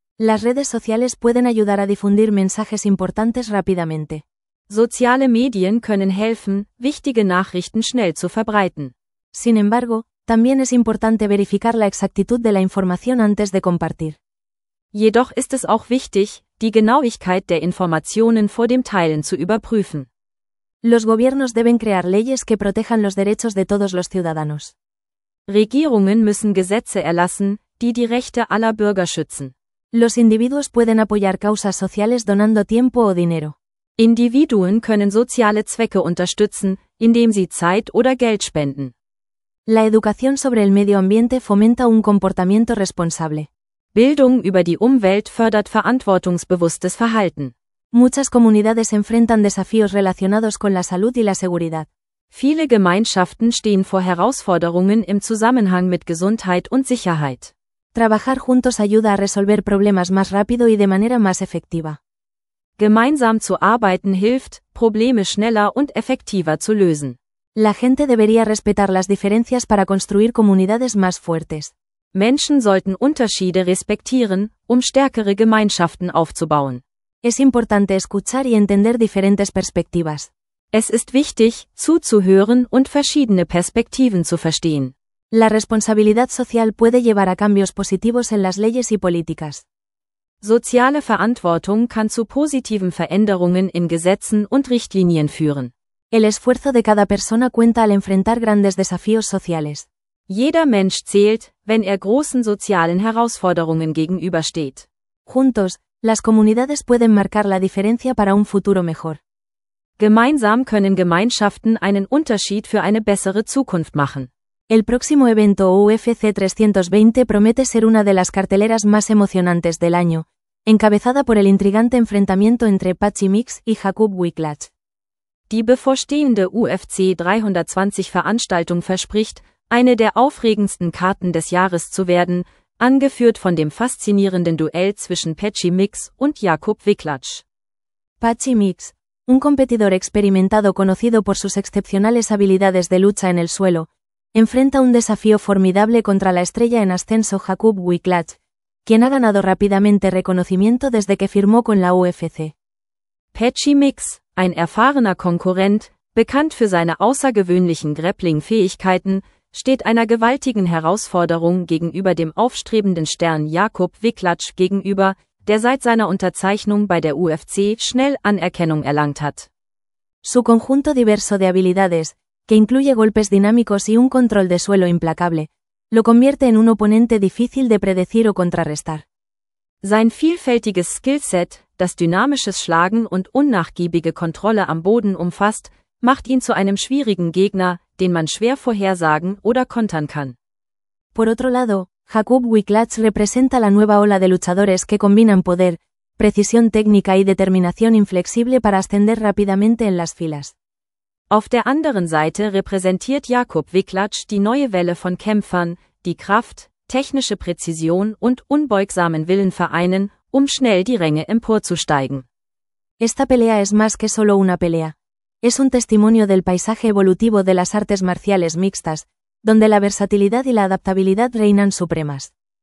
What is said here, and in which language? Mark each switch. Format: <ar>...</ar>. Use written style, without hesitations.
<es>Las redes sociales pueden ayudar a difundir mensajes importantes rápidamente.</es> <de>Soziale Medien können helfen, wichtige Nachrichten schnell zu verbreiten.</de> <es>Sin embargo, también es importante verificar la exactitud de la información antes de compartir.</es> <de>Jedoch ist es auch wichtig, die Genauigkeit der Informationen vor dem Teilen zu überprüfen.</de> <es>Los gobiernos deben crear leyes que protejan los derechos de todos los ciudadanos.</es> <de>Regierungen müssen Gesetze erlassen, die Rechte aller Bürger schützen.</de> <es>Los individuos pueden apoyar causas sociales donando tiempo o dinero.</es> <de>Individuen können soziale Zwecke unterstützen, indem sie Zeit oder Geld spenden.</de> <es>La educación sobre el medio ambiente fomenta un comportamiento responsable.</es> <de>Bildung über die Umwelt fördert verantwortungsbewusstes Verhalten.</de> <es>Muchas comunidades enfrentan desafíos relacionados con la salud y la seguridad.</es> <de>Viele Gemeinschaften stehen vor Herausforderungen im Zusammenhang mit Gesundheit und Sicherheit.</de> <es>Trabajar juntos ayuda a resolver problemas más rápido y de manera más efectiva.</es> <de>Gemeinsam zu arbeiten hilft, Probleme schneller und effektiver zu lösen.</de> <es>La gente debería respetar las diferencias para construir comunidades más fuertes.</es> <de>Menschen sollten Unterschiede respektieren, um stärkere Gemeinschaften aufzubauen.</de> <es>Es importante escuchar y entender diferentes perspectivas.</es> <de>Es ist wichtig, zuzuhören und verschiedene Perspektiven zu verstehen.</de> <es>La responsabilidad social puede llevar a cambios positivos en las leyes y políticas.</es> <de>Soziale Verantwortung kann zu positiven Veränderungen in Gesetzen und Richtlinien führen.</de> <es>El esfuerzo de cada persona cuenta al enfrentar grandes desafíos sociales.</es> <de>Jeder Mensch zählt, wenn großen sozialen Herausforderungen gegenübersteht.</de> <es>Juntos, las comunidades pueden marcar la diferencia para un futuro mejor.</es> <de>Gemeinsam können Gemeinschaften einen Unterschied für eine bessere Zukunft machen.</de> <es>El próximo evento UFC 320 promete ser una de las carteleras más emocionantes del año, encabezada por el intrigante enfrentamiento entre Patxi Mix y Jakub Wiklacz.</es> <de>Die bevorstehende UFC 320 Veranstaltung verspricht, eine der aufregendsten Karten des Jahres zu werden, angeführt von dem faszinierenden Duell zwischen Patxi Mix und Jakub Wiklacz.</de> <es>Patxi Mix, un competidor experimentado conocido por sus excepcionales habilidades de lucha en el suelo, enfrenta un desafío formidable contra la estrella en ascenso Jakub Wiklacz, quien ha ganado rápidamente reconocimiento desde que firmó con la UFC.</es> <de>Patxi Mix, ein erfahrener Konkurrent, bekannt für seine außergewöhnlichen Grappling-Fähigkeiten, steht einer gewaltigen Herausforderung gegenüber dem aufstrebenden Stern Jakub Wiklacz gegenüber, der seit seiner Unterzeichnung bei der UFC schnell Anerkennung erlangt hat.</de> <es>Su conjunto diverso de habilidades, que incluye golpes dinámicos y un control de suelo implacable, lo convierte en un oponente difícil de predecir o contrarrestar.</es> <de>Sein vielfältiges Skillset, das dynamisches Schlagen und unnachgiebige Kontrolle am Boden umfasst, macht ihn zu einem schwierigen Gegner, den man schwer vorhersagen oder kontern kann.</de> <es>Por otro lado, Jakub Wiklacz representa la nueva ola de luchadores que combinan poder, precisión técnica y determinación inflexible para ascender rápidamente en las filas.</es> <de>Auf der anderen Seite repräsentiert Jakub Wiklacz die neue Welle von Kämpfern, die Kraft, technische Präzision und unbeugsamen Willen vereinen, schnell die Ränge emporzusteigen.</de> <es>Esta pelea es más que solo una pelea. Es un testimonio del paisaje evolutivo de las artes marciales mixtas, donde la versatilidad y la adaptabilidad reinan supremas.</es>